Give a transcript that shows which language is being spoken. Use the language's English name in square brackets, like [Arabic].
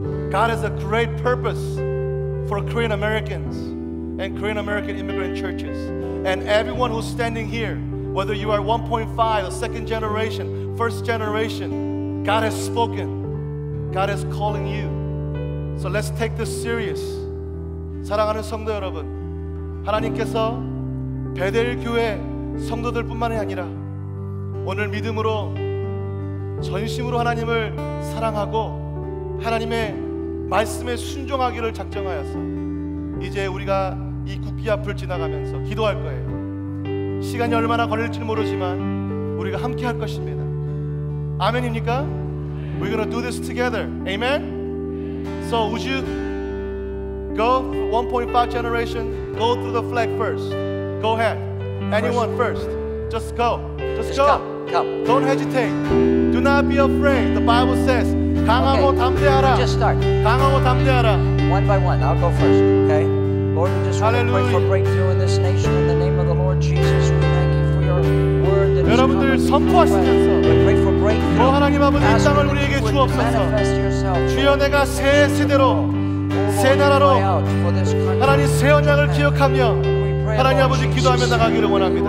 [English] God has a great purpose for Korean Americans and Korean American immigrant churches. And everyone who's standing here, whether you are 1.5, second generation, first generation, God has spoken. God is calling you. So let's take this serious. [Korean] 사랑하는 성도 여러분, 하나님께서 베델 교회 성도들뿐만이 아니라 오늘 믿음으로 전심으로 하나님을 사랑하고 하나님의 말씀에 순종하기를 작정하여서 이제 우리가 이 국기 앞을 지나가면서 기도할 거예요. 시간이 얼마나 걸릴지 모르지만 우리가 함께 할 것입니다. 아멘입니까? [English] We're gonna do this together. Amen. So would you go 1.5 generation? Go through the flag first. Go ahead. Anyone first? Just go. Just go. Come. Don't hesitate. Do not be afraid. The Bible says, [Korean] 강하고 [English] okay. [Korean] 담대하라. [English] Just start. [Korean] 강하고 담대하라. [English] One by one. I'll go first. Okay. Lord, we just want to pray for breakthrough in this nation in the name of the Lord Jesus. We thank you for your word that is coming. [Korean] 여러분들 선포하시면서. [English] We pray for breakthrough. [Korean] 하나님 아버지 이 땅을 우리에게 주옵소서. 주여 내가 새 세대로 새 나라로 하나님 새 언약을 기억하며 하나님 아버지 기도하며 나가기를 원합니다.